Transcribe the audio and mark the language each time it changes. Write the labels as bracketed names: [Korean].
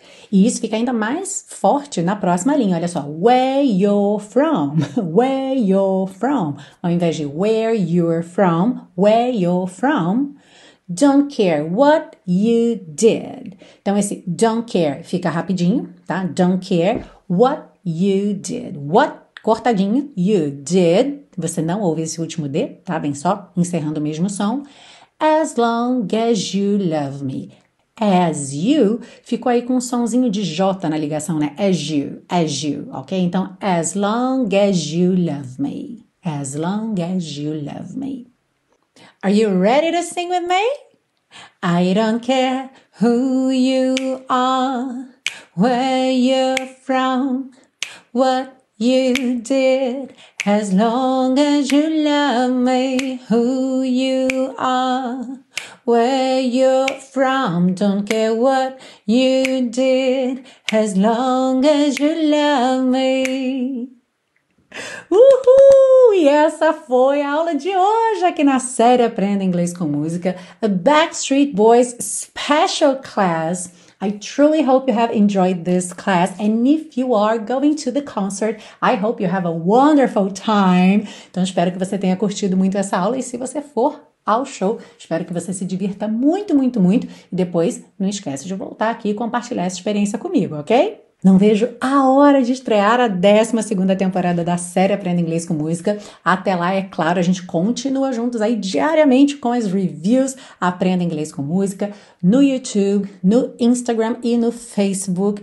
[Portuguese] E isso fica ainda mais forte na próxima linha, olha só. [English] Where you're from, [Portuguese] ao invés de [English] where you're from, don't care what you did. [Portuguese] Então, esse [English] don't care [Portuguese] fica rapidinho, tá? [English] Don't care what you did. What? [Portuguese] Cortadinho. [English] You did. [Portuguese] Você não ouve esse último D, tá? Bem só, encerrando o mesmo som. [English] As long as you love me. As you. [Portuguese] Ficou aí com um sonzinho de J na ligação, né? [English] As you, ok? [Portuguese] Então, [English] as long as you love me. As long as you love me. Are you ready to sing with me? I don't care who you are, where you're from, what you did, as long as you love me, who you are, where you're from, don't care what you did, as long as you love me. Uhul! [Portuguese] E essa foi a aula de hoje aqui na série Aprenda Inglês com Música, a Backstreet Boys Special Class. [English] I truly hope you have enjoyed this class, and if you are going to the concert, I hope you have a wonderful time. [Portuguese] Então, espero que você tenha curtido muito essa aula, e se você for ao show, espero que você se divirta muito, muito, muito, e depois não esquece de voltar aqui e compartilhar essa experiência comigo, ok? Não vejo a hora de estrear a 12ª temporada da série Aprenda Inglês com Música. Até lá, é claro, a gente continua juntos aí diariamente com as reviews Aprenda Inglês com Música no YouTube, no Instagram e no Facebook.